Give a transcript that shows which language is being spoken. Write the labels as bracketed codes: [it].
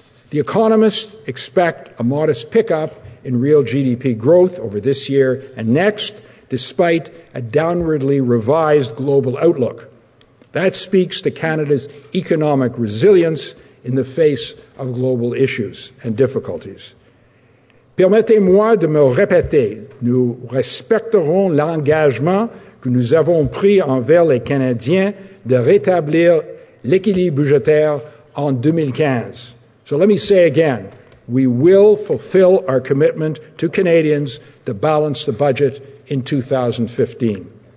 [en] The economists expect a modest pickup in real GDP growth over this year and next, despite a downwardly revised global outlook. That speaks to Canada's economic resilience in the face of global issues and difficulties. [fr] Permettez-moi de me répéter, nous respecterons l'engagement que nous avons pris envers les Canadiens de rétablir l'équilibre budgétaire en 2015. [en] So let me say again, we will fulfill our commitment to Canadians to balance the budget in 2015.